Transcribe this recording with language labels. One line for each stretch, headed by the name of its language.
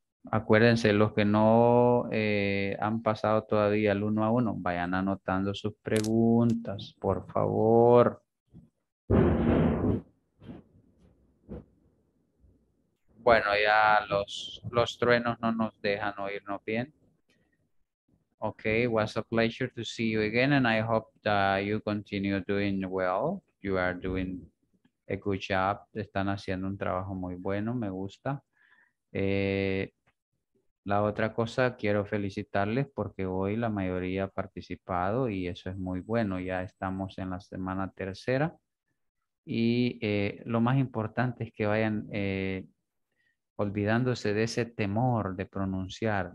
Spanish: Acuérdense, los que no han pasado todavía el 1-1, vayan anotando sus preguntas, por favor. Bueno, ya los truenos no nos dejan oírnos bien.
English: Okay, it was a pleasure to see you again, and I hope that you continue doing well. You are doing a good job.
Spanish: Están haciendo un trabajo muy bueno, me gusta. La otra cosa, quiero felicitarles porque hoy la mayoría ha participado y eso es muy bueno. Ya estamos en la semana tercera y lo más importante es que vayan olvidándose de ese temor de pronunciar.